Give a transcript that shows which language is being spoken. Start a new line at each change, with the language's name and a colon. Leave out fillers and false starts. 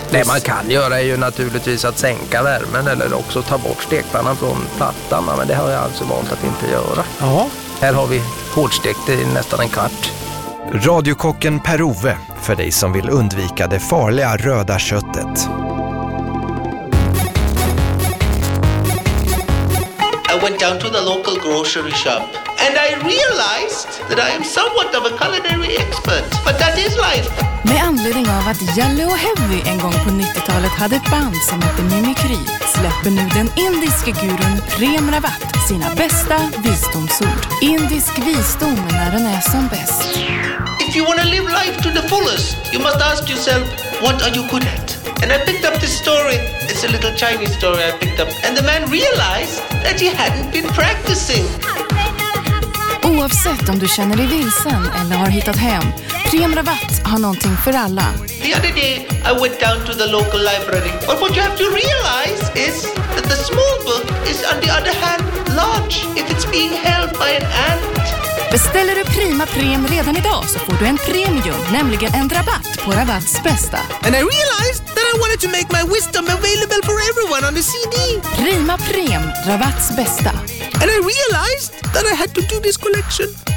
Swedish: Det man kan göra är ju naturligtvis att sänka värmen eller också ta bort stekpannan från plattan. Men det har jag alltså valt att inte göra. Ja. Här har vi hårdstekt i nästan en kvart. Radiokocken Per-Ove, för dig som vill undvika det farliga röda köttet.
English: I went down to the local grocery shop and I realized that I am somewhat of a culinary expert. But that is life.
Swedish: Med anledning av att Jalle och Heavy en gång på 90-talet hade ett band som hette Mimikry släpper nu den indiske gurun Prem Rawat sina bästa visdomsord. Indisk visdom när den är som bäst.
English: If you want to live life to the fullest, you must ask yourself, what are you good at? And I picked up this story, it's a little Chinese story I picked up, and the man realized that he hadn't been practicing.
Swedish: Oavsett om du känner dig vilsen eller har hittat hem, Prem Rawat har någonting för alla.
English: The other day I went down to the local library. But what you have to realize is that the small book is on the other hand large if it's being held by an ant.
Swedish: Beställer du Prima Prem redan idag så får du en premium, nämligen en rabatt på Rawats bästa.
English: And I realized that I wanted to make my wisdom available for everyone on the CD.
Swedish: Prima Prem, Rawats bästa.
English: And I realized that I had to do this collection.